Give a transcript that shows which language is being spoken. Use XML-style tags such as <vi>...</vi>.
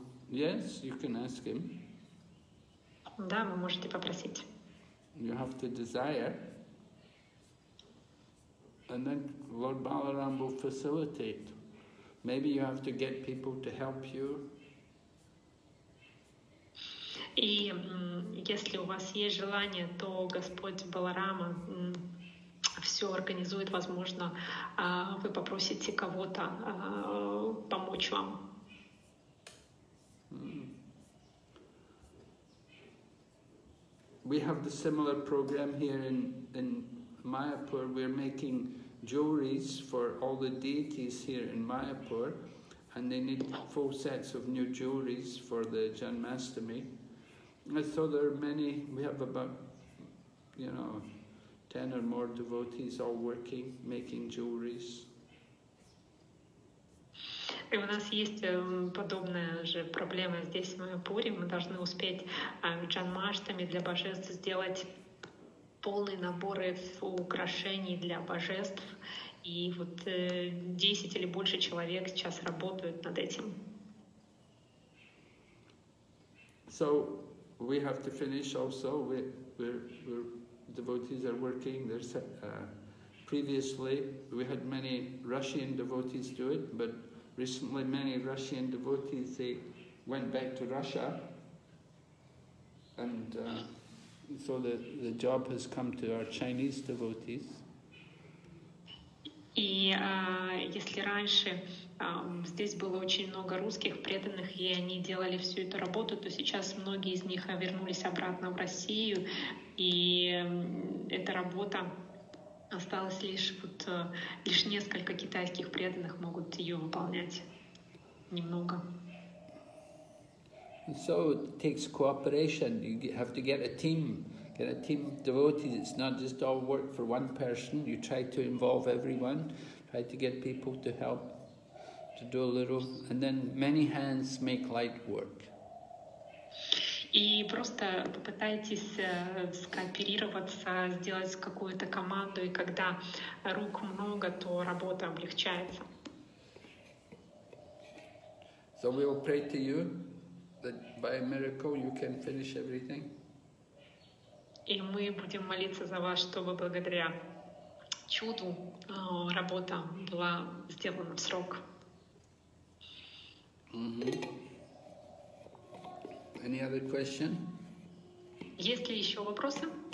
<en>Yes, you can ask him.</en> <ru>Да, вы можете попросить.</ru> <en>You have to desire, and then Lord Balaram will facilitate. Maybe you have to get people to help you.</en> <ru>И если у вас есть желание, то Господь Баларама все организует, возможно, вы попросите кого-то помочь вам.</ru> <en>We have the similar program here in Mayapur. We're making jewelries for all the deities here in Mayapur, and they need full sets of new jewelries for the Janmashtami. And so there are many, we have about, 10 or more devotees all working, making jewelries.</en> <ru>И у нас есть подобная же проблема здесь, в Майапуре. Мы должны успеть Джанмаштами для божеств сделать полные наборы украшений для божеств. И вот 10 или больше человек сейчас работают над этим.</ru> <en>So we have to finish also. We're devotees are working. There's previously we had many Russian devotees do it, but recently, many Russian devotees, they went back to Russia, and so the job has come to our Chinese devotees.</en> <ru>И если раньше здесь было очень много русских преданных, и они делали всю эту работу, то сейчас многие из них вернулись обратно в Россию, и эта работа осталось лишь несколько китайских преданных могут ее выполнять. Немного.</ru> <en>So it takes cooperation. You have to get a team of devotees. It's not just all work for one person. You try to involve everyone, try to get people to help, to do a little, and then many hands make light work.</en> <ru>И просто попытайтесь скооперироваться, сделать какую-то команду, и когда рук много, то работа облегчается.</ru> <en>So we will pray to you that by a miracle you can finish everything.</en> <ru>И мы будем молиться за вас, чтобы благодаря чуду работа была сделана в срок. Mm-hmm.</ru> <en>Any other question?</en> <ru>Есть ли еще вопросы?</ru>